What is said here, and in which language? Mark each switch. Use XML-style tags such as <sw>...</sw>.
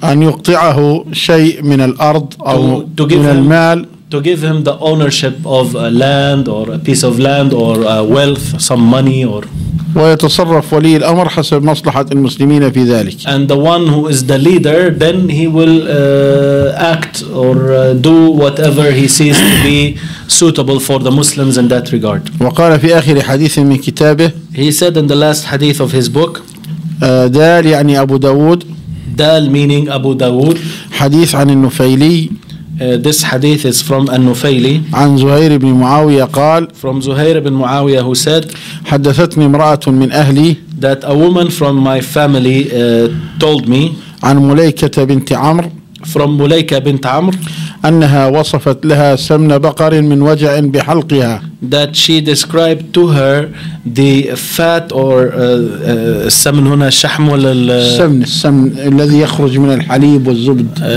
<ar>أن يقطعه شيء من الأرض أو من المال.</ar> <en>To give him the ownership of a land or a piece of land or a wealth, some money or.</en> <ar>ويتصرف ولي الأمر حسب مصلحة المسلمين في ذلك.</ar> <en>And the one who is the leader, then he will act or do whatever he sees to be suitable for the Muslims in that regard.</en> <ar>وقال في آخر حديث من كتابه.</ar> <en>He said in the last hadith of his book.</en> <ar>دال يعني أبو داود.</ar> <en>دال meaning أبو داود.</en> <ar>حديث عن النفيلي.</ar> <en>This hadith is from An-Nufayli.</en> <ar>عن زهير بن معاوية قال.</ar> <en>From زهير بن معاوية who said.</en> <ar>حدثتني امرأة من أهلي.</ar> <en>That a woman from my family told me.</en> <ar>عن مليكة بنت عمر.</ar> <en>From مليكة بنت عمر.</en> <ar>أنها وصفت لها سمن بقر من وجع بحلقها.</ar> <en>That she described to her the fat or</en> <ar>السمن هنا الشحم ولا السمن السمن الذي يخرج من الحليب والزبد.</ar>